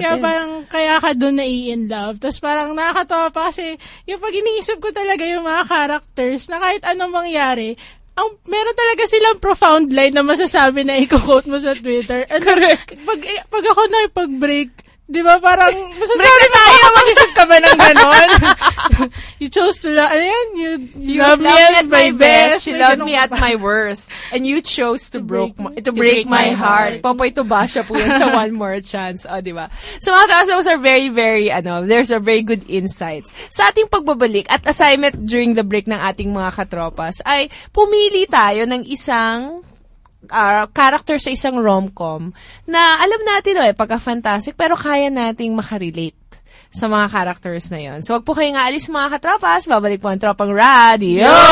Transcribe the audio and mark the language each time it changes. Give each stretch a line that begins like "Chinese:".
Filipino: Kaya parang, kaya ka doon nai-in-love. Tapos parang, nakakatawa pa kasi, yung pag iniisip ko talaga yung mga characters, na kahit anong mangyari, ang meron talaga silang profound line na masasabi na i-quote mo sa Twitter.
English: And correct.
Filipino: Pag ako na ipag-break, di ba parang masasabi break na tayo, mag-isip ka ba ng ganon?
English: You chose to love, ayan, you love me at my best, she loved me at my worst, and you chose to break my heart.
Filipino: Popoy to basha po yun sa One More Chance. O, di ba? So, mga taas,
English: those are very, very,
Filipino: ano,
English: there's a very good insights.
Filipino: Sa ating pagbabalik at assignment during the break ng ating mga katropas ay pumili tayo ng isang character sa isang rom-com na alam natin, oh, pagka-fantastic pero kaya nating makarelate sa mga characters na yon. So, wag po kayong aalis, mga katropas. Babalik po ang Tropang Radio!